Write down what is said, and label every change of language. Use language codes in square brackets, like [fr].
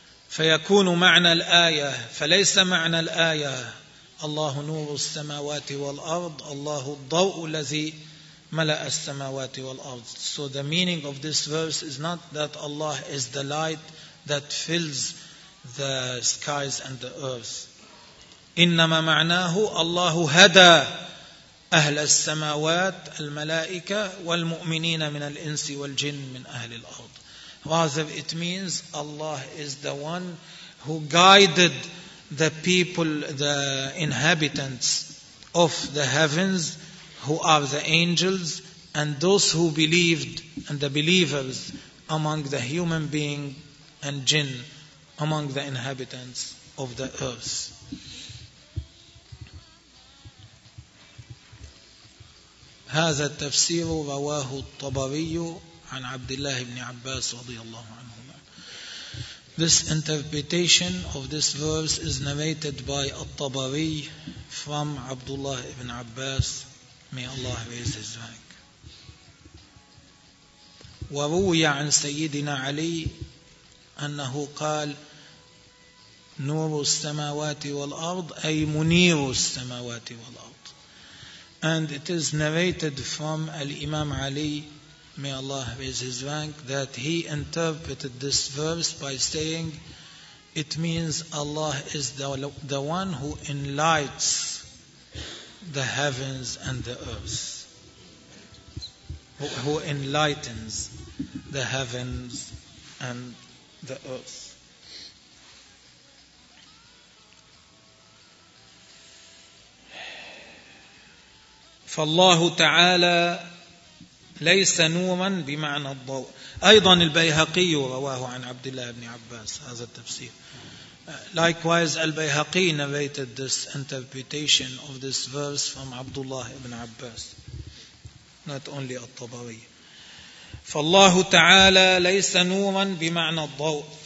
[ar] فَيَكُونُ مَعْنَى الْآيَةِ فَلَيْسَ مَعْنَى الْآيَةِ اللَّهُ نُورُ السَّمَاوَاتِ وَالْأَرْضِ اللَّهُ الضَّوْءُ الَّذِي مَلَأَ السَّمَاوَاتِ وَالْأَرْضِ. [en] So the meaning of this verse is not that Allah is the light that fills the skies and the earth. [ar] إنما معناه الله هدى أهل السماوات الملائكة والمؤمنين من الإنس والجن من أهل الأرض. [en] Rather, it means Allah is the one who guided the people, the inhabitants of the heavens, who are the angels, and those who believed, and the believers among the human being and jinn, among the inhabitants of the earth. [ar] هذا التفسير رواه الطبري عن عبد الله بن عباس رضي الله عنهما. [en] This interpretation of this verse is narrated by الطبري from عبد الله بن عباس. May Allah raise his rank. [ar] وروي عن سيدنا علي أنه قال نور السماوات والأرض أي منير السماوات والأرض. [en] And it is narrated from Imam Ali, may Allah raise his rank, that he interpreted this verse by saying it means Allah is the one who enlightens the heavens and the earth, who enlightens the heavens and the earth. [ar] فالله تعالى ليس نورا بمعنى الضوء. أيضا البيهقي رواه عن عبد الله بن عباس هذا التفسير. [en] Likewise, البيهقي narrated this interpretation of this verse from عبد الله بن عباس. Not only الطبري. [ar] فالله تعالى ليس نورا بمعنى الضوء.